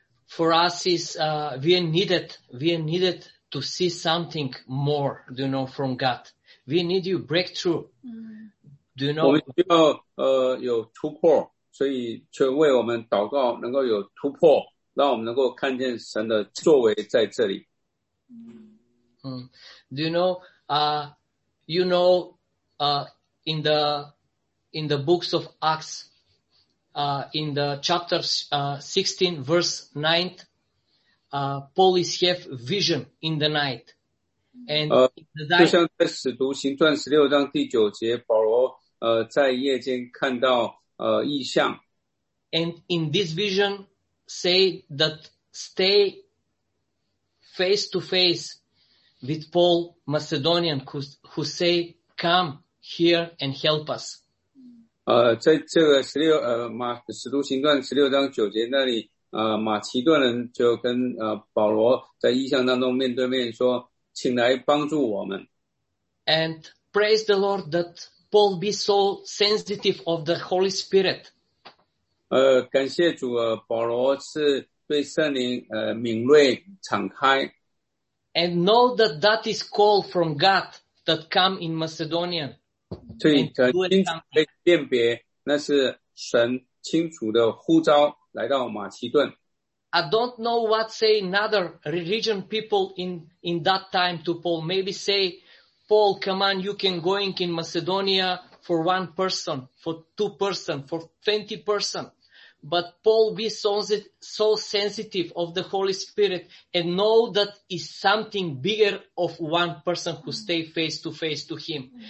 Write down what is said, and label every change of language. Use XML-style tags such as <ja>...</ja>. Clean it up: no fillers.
<en>For us is, we needed to see something more, do you know, from God. We need your breakthrough. Do you know?</en> <zh>我们需要有突破，所以就为我们祷告能够有突破，让我们能够看见神的作为在这里。</zh> <en>Do you know, in the books of Acts,in the chapter 16, verse 9, Paul is have vision in the night. And in the night,</en> <zh>就像在使徒行传16章第9节，保罗在夜间看到异象。</zh> <en>And in this vision, say that stay face to face with Paul, Macedonian, who say, come here and help us.</en> <zh>在这个使徒行传16章9节那里，马其顿人就跟保罗在异象当中面对面说，请来帮助我们。</zh> <en>And praise the Lord that Paul be so sensitive of the Holy Spirit.</en> <zh>感谢主，保罗是对圣灵敏锐敞开。</zh> <en>And know that that is call from God that come in Macedonian.</en> <zh>对，清楚可以辨别，那是神清楚的呼召来到马其顿。</zh> <en>I don't know what say another religion people in that time to Paul. Maybe say, Paul, come on, you can going in Macedonia for one person, for two person, for 20 person. But Paul be so sensitive of the Holy Spirit and know that is something bigger of one person who stay face to face to him.</en>